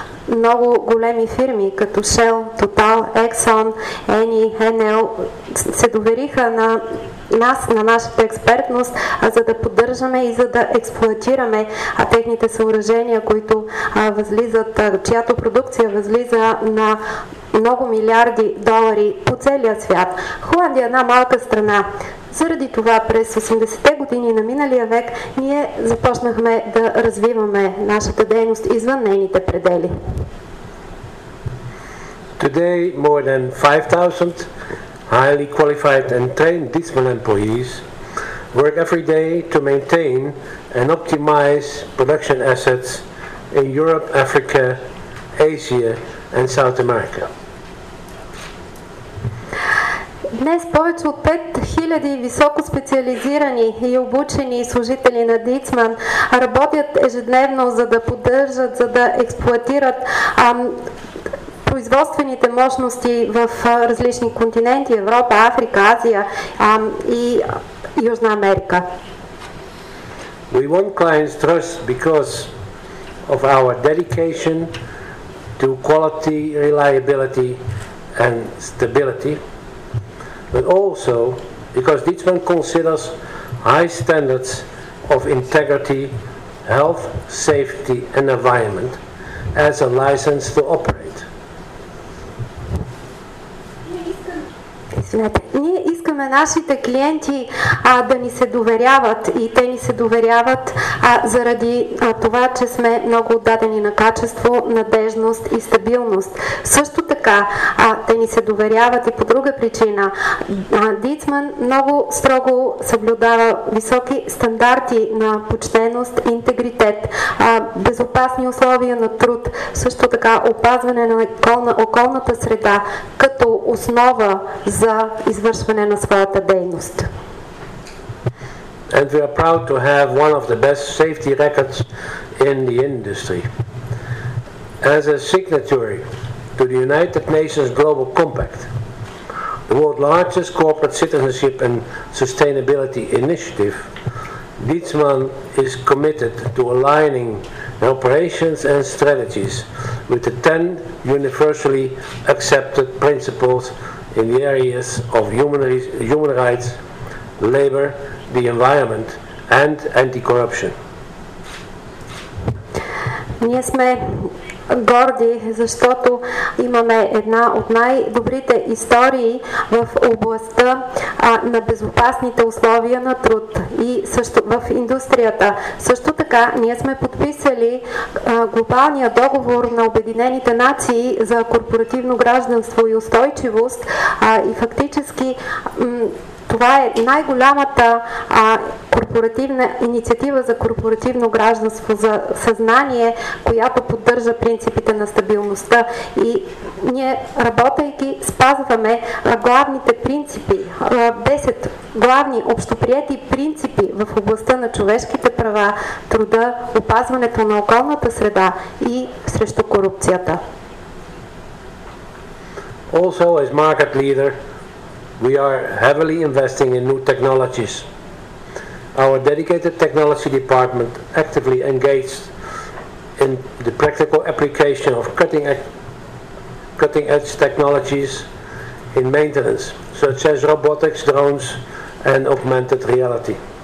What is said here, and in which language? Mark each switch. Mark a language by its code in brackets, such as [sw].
[bg] Много големи фирми, като Shell, Total, Exxon, Eni, Enel, се довериха на нас, на нашата експертност, за да поддържаме и за да експлоатираме техните съоръжения, които възлизат, чиято продукция възлиза на много милиарди долари по целия свят. Холандия е една малка страна. Заради това през 80-те години на миналия век ние започнахме да развиваме нашата дейност извън нейните предели. [en] Today more than 5,000 highly qualified and trained Dietzmann employees work every day to maintain and optimize production assets in Europe, Africa, Asia and South America. [bg] Днес повече от 5000 високо специализирани и обучени служители на Дитман работят ежедневно, за да поддържат, за да експлоатират производствените мощности в различни континенти, Европа, Африка, Азия и Южна Америка. [en] We want clients trust because of our dedication to quality, reliability and stability. But also because Dietzmann considers high standards of integrity, health, safety and environment as a license to operate. [bg] Ние искаме нашите клиенти да ни се доверяват и те ни се доверяват заради това, че сме много отдадени на качество, надежност и стабилност. Също така те ни се доверяват и по друга причина. Дитман много строго съблюдава високи стандарти на почтеност, интегритет, безопасни условия на труд, също така опазване на околната среда като основа за извършване на своята дейност. [en] And we are proud to have one of the best safety records in the industry. As a signatory to the United Nations Global Compact, the world's largest corporate citizenship and sustainability initiative, Dietzmann is committed to aligning the operations and strategies with the 10 universally accepted principles in the areas of human rights, labor, the environment and anti-corruption. [bg] Ние сме горди, защото имаме една от най-добрите истории в областта на безопасните условия на труд и също в индустрията. Също така, ние сме подписали глобалния договор на Обединените нации за корпоративно гражданство и устойчивост и фактически това е най-голямата корпоративна инициатива за корпоративно гражданство, за съзнание, която поддържа принципите на стабилността. И ние, работейки, спазваме главните принципи, 10 главни общоприети принципи в областта на човешките права, труда, опазването на околната среда и срещу корупцията. [en] Also as market leader, we are heavily investing in new technologies. Our dedicated technology department actively engaged in the practical application of cutting-edge technologies in maintenance, such as robotics, drones, and augmented reality.